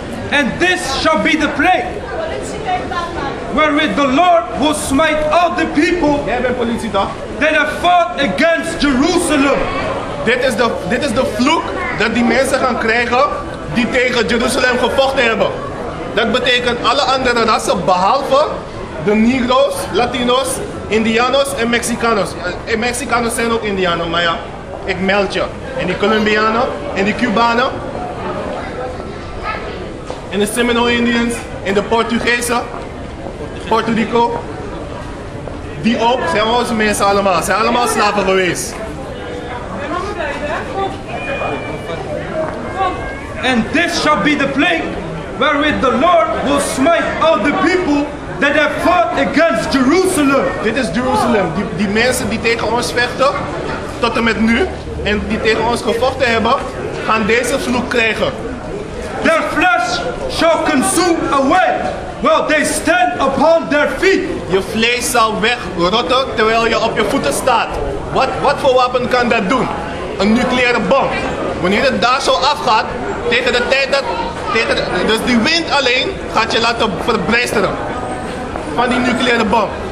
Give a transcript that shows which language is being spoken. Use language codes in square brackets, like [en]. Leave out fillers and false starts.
[en] And this shall be the plague wherewith the Lord will smite all the people that have fought against Jerusalem. [nl] Dit is de vloek dat die mensen gaan krijgen die tegen Jeruzalem gevochten hebben. Dat betekent alle andere rassen behalve de Negro's, Latino's, Indianos en Mexicanos. Mexicanos zijn ook Indianos, maar ja, ik meld je. En die Colombianen, en die Cubanen, en de Seminole Indians, en de Portugezen, Puerto Rico, die ook, zijn onze mensen allemaal, zijn allemaal slaven geweest. [en] And this shall be the plague wherewith the Lord will smite all the people that have fought against Jerusalem. [nl] Dit is Jeruzalem, die mensen die tegen ons vechten, tot en met nu. En die tegen ons gevochten hebben, gaan deze vloek krijgen. [en] Their flesh shall consume away while they stand upon their feet. [nl] Je vlees zal wegrotten terwijl je op je voeten staat. Wat voor wapen kan dat doen? Een nucleaire bom. Wanneer het daar zo afgaat, tegen de tijd dat. Dus die wind alleen gaat je laten verbrijsteren van die nucleaire bom.